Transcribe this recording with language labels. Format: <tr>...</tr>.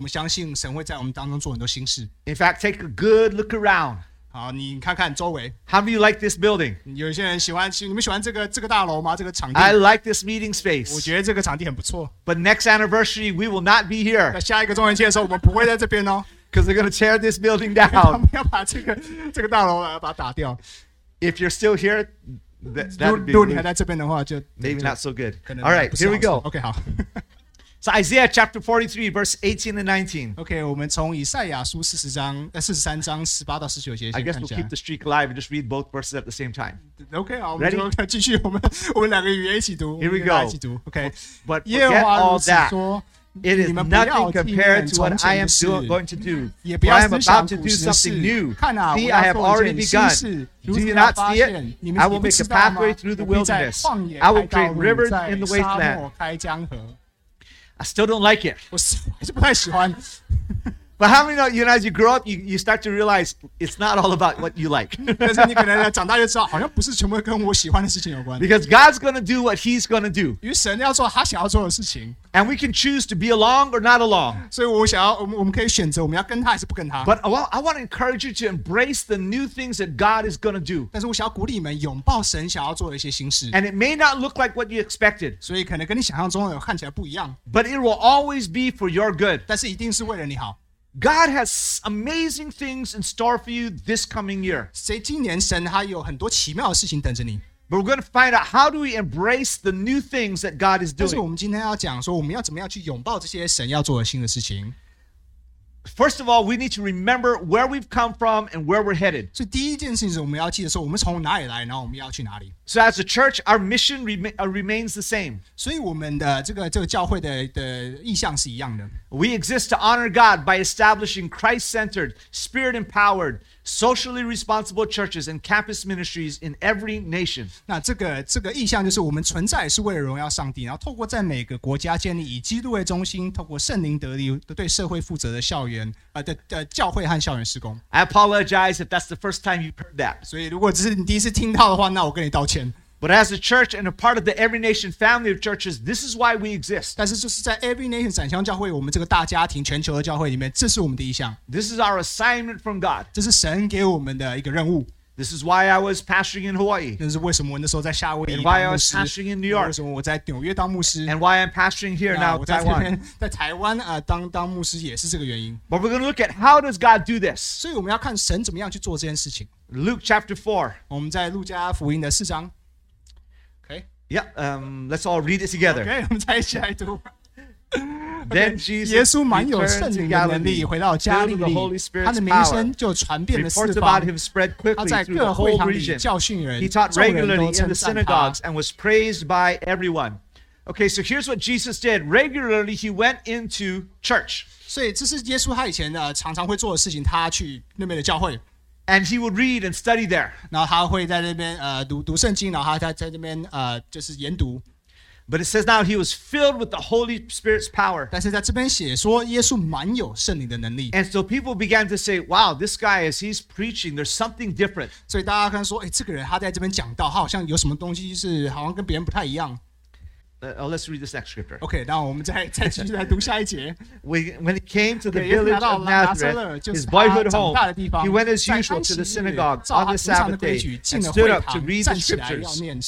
<zh>当我们进入这个第15年的时候，我们相信神会在我们当中做很多新事。</zh> <en>In fact, take a good look around.</en> <zh>好，你看看周围。</zh> <en>How do you like this building?</en> <zh>有些人喜欢，你们喜欢这个大楼吗？这个场地。</zh> <en>I like this meeting space.</en> <zh>我觉得这个场地很不错。</zh> <en>But next anniversary, we will not be here.</en> <zh>那下一个周年庆的时候，我们不会在这边哦。</zh> <en>Because they're going to tear this building down.</en> <zh>他们要把这个大楼把它打掉。</zh> <en>If you're still here, that'd be</en> <zh>如果你还在这边的话，就</zh> <en>maybe not so good. All right, here we go.</en> <zh>Okay, 好。</zh> <en>So Isaiah chapter 43, verse 18 and 19.</en> <zh>Okay, 我们从以赛亚书43章18-19节先看一下。</zh> <en>I guess we'll keep the streak alive and just read both verses at the same time.</en> <zh>Okay, 好，我们就继续我们两个语言一起读。</zh> <en>Here we go.</en> <zh>一起读。Okay.</zh> <en>But forget all that. It is nothing compared to what I am going to do. For I am about to do something new. See, I have already begun. Do you not see it? I will make a pathway through the wilderness. I will create rivers in the wasteland. I still don't like it.</en> <zh>我还是不太喜欢。</zh> <en>But how many know, you know, as you grow up, you start to realize it's not all about what you like.</en> <zh>但是你可能长大就知道，好像不是全部跟我喜欢的事情有关。</zh> <en>Because God's going to do what He's going to do.</en> <zh>因为神要做他想要做的事情。</zh> <en>And we can choose to be along or not along.</en> <zh>所以我们可以选择我们要跟他还是不跟他。</zh> <en>But I want to encourage you to embrace the new things that God is going to do.</en> <zh>但是我想要鼓励你们拥抱神想要做的一些新事。</zh> <en>And it may not look like what you expected.</en> <zh>所以可能跟你想象中的看起来不一样。</zh> <en>But it will always be for your good.</en> <zh>但是一定是为了你好。</zh> <en>God has amazing things in store for you this coming year.</en> <zh>今年神他有很多奇妙的事情等着你。</zh> <en>But we're going to find out how do we embrace the new things that God is doing.</en> <zh>但是我们今天要讲说我们要怎么样去拥抱这些神要做的新的事情。</zh> <en>First of all, we need to remember where we've come from and where we're headed.</en> <zh>所以第一件事情是我们要记得说我们从哪里来，然后我们要去哪里。</zh> <en>So as a church, our mission remains the same.</en> <zh>所以我们的这个教会的意向是一样的。</zh> <en>We exist to honor God by establishing Christ-centered, Spirit-empowered, socially responsible churches and campus ministries in every nation.</en> <zh>那这个意向就是我们存在是为了荣耀上帝，然后透过在每个国家建立以基督为中心，透过圣灵得力对社会负责的校园的教会和校园施工。</zh> <en>I apologize if that's the first time you've heard that.</en> <zh>所以如果只是你第一次听到的话，那我跟你道歉。</zh> <en>But as a church and a part of the Every Nation family of churches, this is why we exist.</en> <zh>但是就是在 Every Nation 闪香教会，我们这个大家庭，全球的教会里面，这是我们的意向。</zh> <en>This is our assignment from God.</en> <zh>这是神给我们的一个任务。</zh> <en>This is why I was pastoring in Hawaii.</en> <zh>这是为什么我那时候在夏威夷当牧师。</zh> <en>And why I was pastoring in New York.</en> <zh>为什么我在纽约当牧师。</zh> <en>And why I'm pastoring here now, Taiwan.</en> <zh>我在这边在台湾当牧师也是这个原因。</zh> <en>But we're going to look at how does God do this.</en> <zh>所以我们要看神怎么样去做这件事情。</zh> <en>Luke chapter 4.</en> <zh>我们在路加福音的四章。</zh> <en>Yeah, let's all read it together.</en> <zh>Okay, 我们再一起来读。</zh> <en>Then Jesus returned to Galilee, filled with the Holy Spirit's power. Reports about him spread quickly through the whole region. He taught regularly in the synagogues and was praised by everyone. Okay, so here's what Jesus did. Regularly, he went into church.</en> <zh>所以这是耶稣他以前常常会做的事情，他去那边的教会。</zh> <en>And he would read and study there.</en> <zh>然后他会在那边读圣经，然后他在那边就是研读。</zh> <en>But it says now he was filled with the Holy Spirit's power.</en> <zh>但是在这边写说耶稣满有圣灵的能力。</zh> <en>And so people began to say, "Wow, this guy as he's preaching, there's something different."</en> <zh>所以大家看说，哎，这个人他在这边讲道，他好像有什么东西是好像跟别人不太一样。</zh> <en>Let's read this next scripture.</en> <zh>Okay, 那我们再继续来读下一节。</zh> <en>When he came to the village of Nazareth, his boyhood home, he went as usual to the synagogue on the Sabbath day and stood up to read the scriptures.</en>